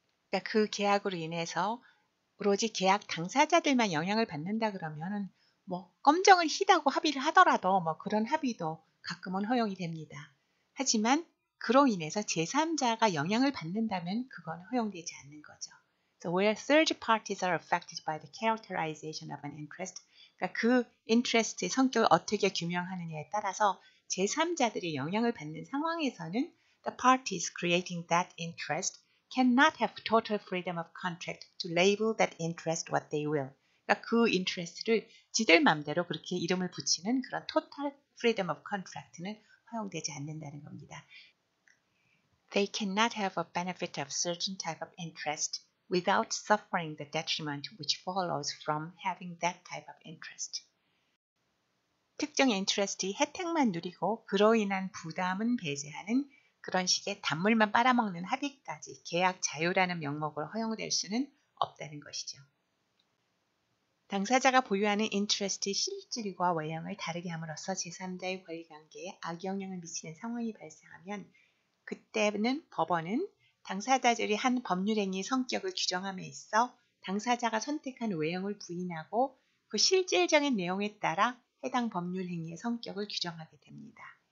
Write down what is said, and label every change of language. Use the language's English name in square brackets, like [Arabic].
[Korean] 그러니까 그 계약으로 인해서 오로지 계약 당사자들만 영향을 받는다 그러면은 뭐 검정을 희다고 합의를 하더라도 뭐 그런 합의도 가끔은 허용이 됩니다. 하지만 그로 인해서 제3자가 영향을 받는다면 그건 허용되지 않는 거죠. [English] So where third parties are affected by the characterization of an interest. [Korean] 그러니까 그 interest의 성격을 어떻게 규명하느냐에 따라서 제3자들이 영향을 받는 상황에서는 [English] the parties creating that interest cannot have total freedom of contract to label that interest what they will. [Korean] 그러니까 그 interest를 지들 마음대로 그렇게 이름을 붙이는 그런 [English] total freedom of contract [Korean] 는 허용되지 않는다는 겁니다. [English] They cannot have a benefit of certain type of interest without suffering the detriment which follows from having that type of interest. [Korean] 특정 interest이 혜택만 누리고 그로 인한 부담은 배제하는 그런 식의 단물만 빨아먹는 합의까지 계약 자유라는 명목으로 허용될 수는 없다는 것이죠. 당사자가 보유하는 interest의 실질과 외형을 다르게 함으로써 제3자의 권리관계에 악영향을 미치는 상황이 발생하면 그때는 법원은 당사자들이 한 법률행위의 성격을 규정함에 있어 당사자가 선택한 외형을 부인하고 그 실질적인 내용에 따라 해당 법률행위의 성격을 규정하게 됩니다.